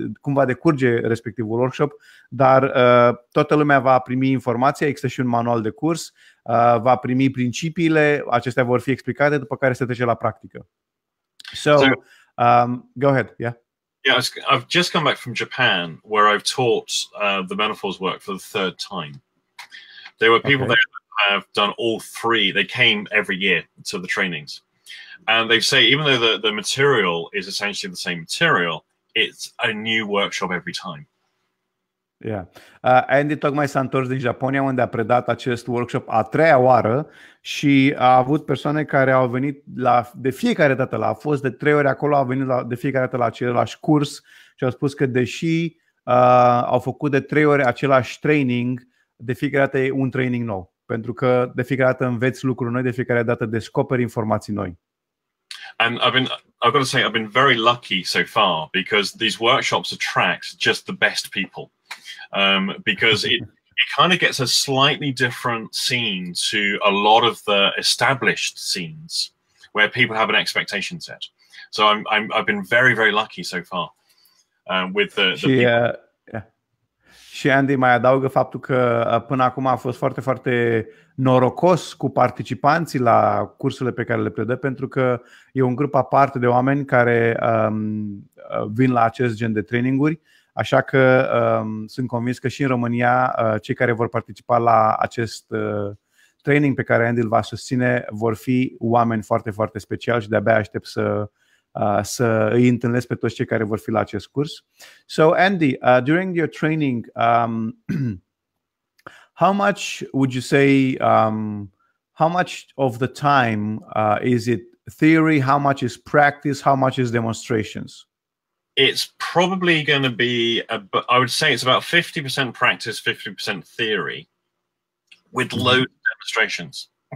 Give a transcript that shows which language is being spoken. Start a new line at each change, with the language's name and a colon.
Romanian: va decurge respectivul workshop, dar toată lumea va primi informația, există și un manual de curs, va primi principiile, acestea vor fi explicate, după care se trece la practică.
English: So, go ahead. Yeah, I've just come back from Japan, where I've taught the metaphors work for the third time. There were people there that have done all three. They came every year to the trainings. And they say, even though the material is essentially the same material, it's a new workshop every time. Yeah.
Romanian: Andy tocmai s-a întors din Japonia, unde a predat acest workshop a treia oară și a avut persoane care au venit de fiecare dată, a fost de trei ori acolo, au venit de fiecare dată la același curs și au spus că deși au făcut de trei ori același training, de fiecare dată e un training nou, pentru că de fiecare dată înveți lucruri noi, de fiecare dată descoperi informații noi.
English: And I've got to say I've been very lucky so far, because these workshops attract just the best people, because it kind of gets a slightly different scene to a lot of the established scenes where people have an expectation set. So I've been very, very lucky so far with the people.
Romanian: Și Andy mai adaugă faptul că până acum a fost foarte, foarte norocos cu participanții la cursurile pe care le predă, pentru că e un grup aparte de oameni care vin la acest gen de traininguri, așa că sunt convins că și în România cei care vor participa la acest training pe care Andy îl va susține vor fi oameni foarte, foarte speciali și de-abia aștept să îi întâlnesc pe toți cei care vor fi la acest curs.
English: So Andy, during your training, how much would you say, how much of the time is it theory, how much is practice, how much is demonstrations? It's probably going to be, I would say it's about 50% practice, 50% theory, with loads of demonstrations.